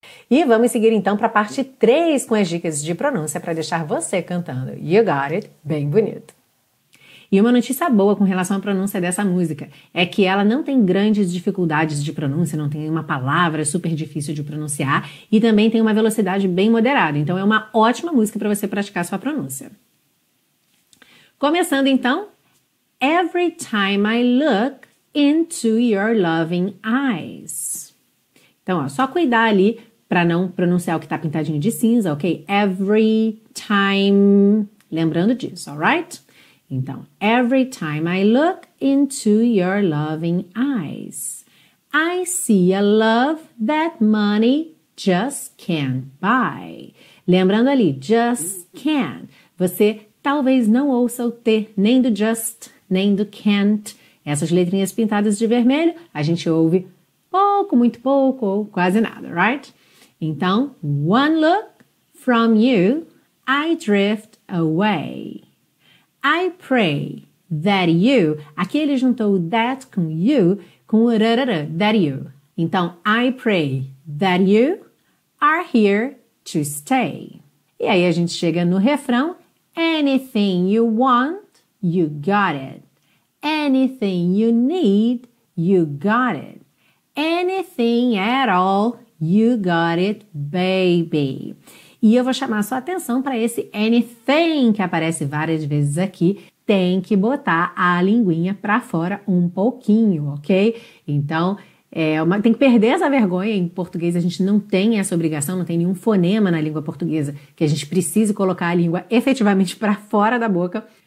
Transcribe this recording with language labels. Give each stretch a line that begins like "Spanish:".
Portuguese: E vamos seguir então para a parte 3 com as dicas de pronúncia para deixar você cantando You Got It bem bonito. E uma notícia boa com relação à pronúncia dessa música é que ela não tem grandes dificuldades de pronúncia, não tem uma palavra super difícil de pronunciar e também tem uma velocidade bem moderada. Então é uma ótima música para você praticar sua pronúncia. Começando então.
English: Every time I look into your loving eyes.
Portuguese: Então, ó, só cuidar ali para não pronunciar o que está pintadinho de cinza, ok?
English: Every time, lembrando disso, alright? Então, every time I look into your loving eyes, I see a love that money just can't buy.
Portuguese: Lembrando ali,
English: just can't.
Portuguese: Você talvez não ouça o T, nem do just, nem do can't. Essas letrinhas pintadas de vermelho, a gente ouve pouco, muito pouco, ou quase nada,
English: right? Então, one look from you, I drift away. I pray that you,
Portuguese: aqui ele juntou o that com you, com o rarara, that you.
English: Então, I pray that you are here to stay.
Portuguese: E aí a gente chega no refrão,
English: anything you want, you got it. Anything you need, you got it. Anything at all, you got it, baby.
Portuguese: E eu vou chamar a sua atenção para esse anything que aparece várias vezes aqui. Tem que botar a linguinha para fora um pouquinho, ok? Então, tem que perder essa vergonha. Em português a gente não tem essa obrigação, não tem nenhum fonema na língua portuguesa que a gente precise colocar a língua efetivamente para fora da boca.